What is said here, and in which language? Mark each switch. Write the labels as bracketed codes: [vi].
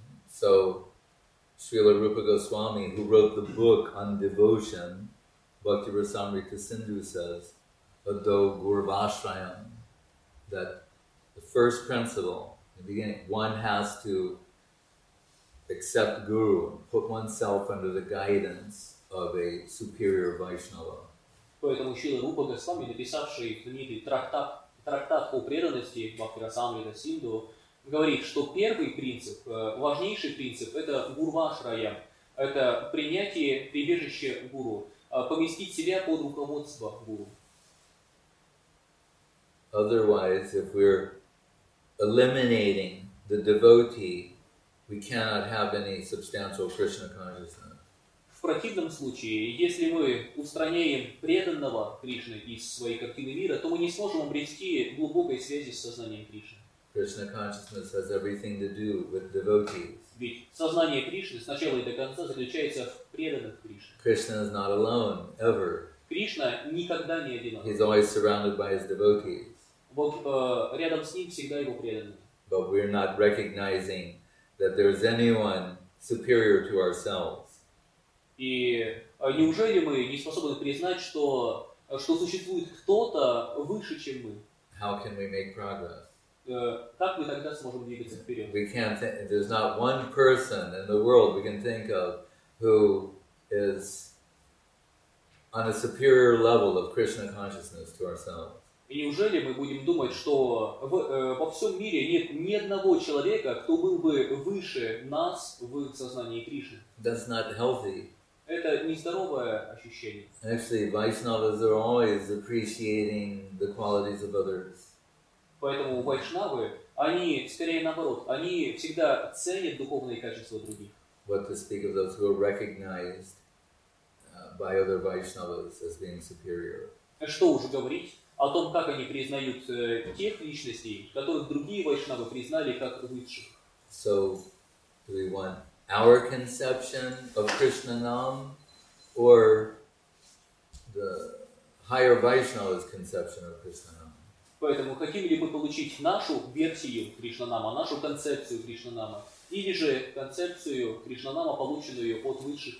[en] So, Srila Rupa Goswami, who wrote the book on devotion, Bhakti Rasamrita Sindhu says, Ado Gurvashrayam, that the first principle, the beginning, one has to accept guru, put oneself under the guidance of a superior Vaishnava. [ru] Поэтому Шрила Рупа Госвами, написавший книгу трактат о преданности Бхакти Расамрита Синду, говорит, что первый принцип, важнейший принцип, это гурвашрая, это принятие прибежища гуру, поместить себя под руководство гуру. [en] Otherwise, if we're eliminating the devotee, we cannot have any substantial Krishna consciousness. [ru] В противном случае, если мы устраняем преданного Кришны из своей картины мира, то мы не сможем обрести глубокой связи с сознанием Кришны. [en] Krishna consciousness has everything to do with devotees. [ru] Ведь сознание Кришны сначала и до конца заключается в преданных Кришне. [en] Krishna is not alone, ever. [ru] Кришна никогда не одинок. [en] He's always surrounded by his devotees. [ru] Вот рядом с ним всегда его преданные. [en] But we're not recognizing that there is anyone superior to ourselves. [ru] И неужели мы не способны признать, что существует кто-то выше, чем мы? [en] How can we make progress? [ru] Как мы тогда сможем двигаться вперед? [en] We can't think, there's not one person in the world we can think of who is on a superior level of Krishna consciousness to ourselves. [ru] И неужели мы будем думать, что во всем мире нет ни одного человека, кто был бы выше нас в сознании Кришны? [en] That's not healthy. [ru] Это нездоровое ощущение. [en] Actually, Vaishnavas are always appreciating the qualities of others. [ru] Поэтому Вайшнавы, они, скорее наоборот, они всегда ценят духовные качества других. [en] What to speak of those who are recognized by other Vaishnavas as being superior. [ru] Что уже говорить о том, как они признают тех личностей, которых другие Вайшнавы признали как лучших. [en] So, do we want our conception of Krishna Nam or the higher Vaishnava's conception of Krishna Nam? [ru] Поэтому хотим ли мы получить нашу версию Кришнанама, нашу концепцию Кришнанама, или же концепцию Кришнанама, полученную от высших